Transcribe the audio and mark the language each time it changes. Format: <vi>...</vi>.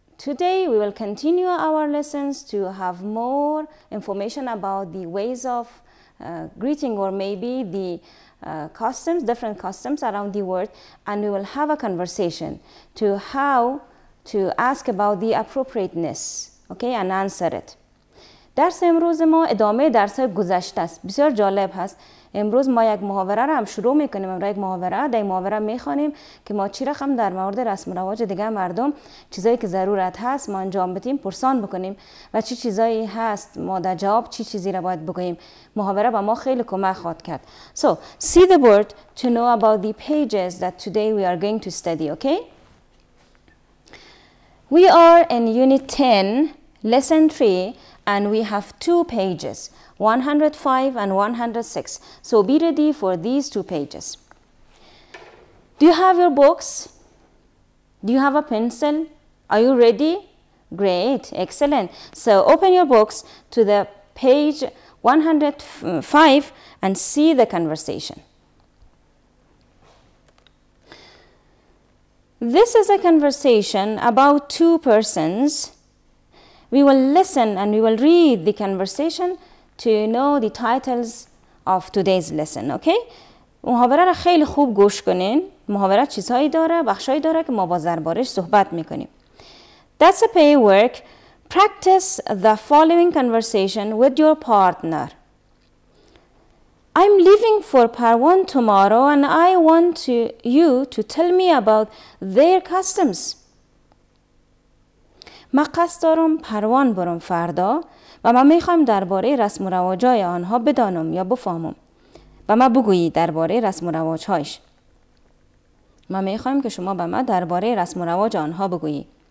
<en>Today, we will continue our lessons to have more information about the ways of greeting or maybe the customs, different customs around the world, and we will have a conversation to how to ask about the appropriateness, okay, and answer it.</en> <fa>درس امروز ما ادامه درس گذشته است. بسیار جالب هست. امروز ما یک محاوره را هم شروع میکنیم. امروز یک محاوره در این محاوره میخوانیم که ما چی رقم در مورد رسم و رواج دیگه مردم چیزایی که ضرورت هست ما انجام بدیم پرسان بکنیم و چی چیزایی هست ما در جواب چی چیزی را باید بگوییم. محاوره با ما خیلی کمک خواهد کرد.</fa> <en>So, see the board to know about the pages that today we are going to study, okay? We are in Unit 10, Lesson 3, and we have two pages. 105 and 106. So be ready for these two pages. Do you have your books? Do you have a pencil? Are you ready? Great, excellent. So open your books to the page 105 and see the conversation. This is a conversation about two persons. We will listen and we will read the conversation to know the titles of today's lesson, okay?</en> <fa>محاوره را خیلی خوب گوش کنین. محاوره چیزهایی داره، بخشهایی داره که ما با زربارش صحبت میکنیم.</fa> <en>That's a pay work. Practice the following conversation with your partner. I'm leaving for Parwan tomorrow and I want you to tell me about their customs.</en> <fa>ما قصد دارم پروان برم فردا و ما میخوایم درباره رسم و رواجهای آنها بدانم یا بفهمم. و ما بگویی درباره رسم و رواجهایش. ما میخوایم که شما به ما درباره رسم و رواج آنها بگویی.</fa>